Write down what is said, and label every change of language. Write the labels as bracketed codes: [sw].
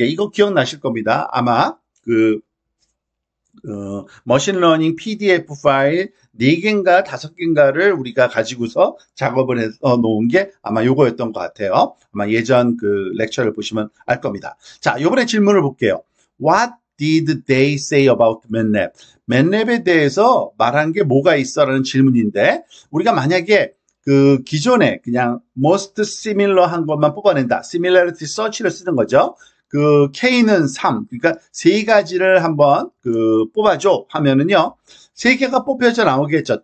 [ko] 이거 기억나실 겁니다. 아마 그 머신러닝 PDF 파일 4개인가 5개인가를 우리가 가지고서 작업을 해서 놓은 게 아마 요거였던 것 같아요. 아마 예전 그 렉처를 보시면 알 겁니다. 자, 요번에 질문을 볼게요. [en] What did they say about MATLAB? [ko] MATLAB에 대해서 말한 게 뭐가 있어라는 질문인데, 우리가 만약에 그 기존에 그냥 [en] most similar [ko] 한 것만 뽑아낸다. similarity search를 쓰는 거죠. 그 K는 3, 그러니까 세 가지를 한번 그 뽑아줘 하면은요, 세 개가 뽑혀져 나오겠죠.